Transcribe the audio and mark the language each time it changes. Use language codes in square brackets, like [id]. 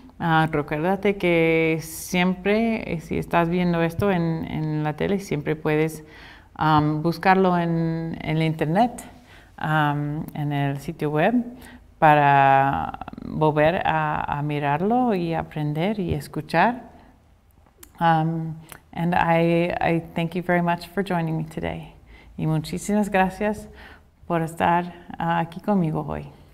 [es] Recuérdate que siempre, si estás viendo esto en la tele, siempre puedes buscarlo en el internet, en el sitio web, para volver a mirarlo y aprender y escuchar. [en] And I thank you very much for joining me today. [es] Y muchísimas gracias por estar aquí conmigo hoy.